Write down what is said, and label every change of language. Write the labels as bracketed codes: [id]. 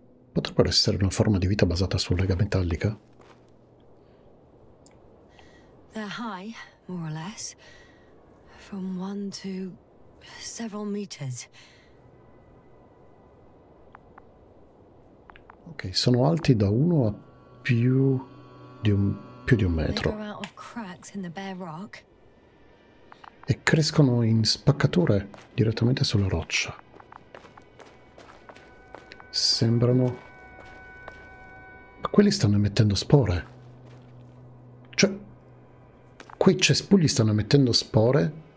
[it] Potrebbero essere una forma di vita basata su lega metallica? [en] They're high, more or less. From one to several meters. [it] Ok, sono alti da uno a più di un metro. [en] They grow out of cracks in the bare rock. [it] E crescono in spaccature direttamente sulla roccia. Sembrano... Ma quelli stanno emettendo spore. Cioè... Quei cespugli stanno emettendo spore?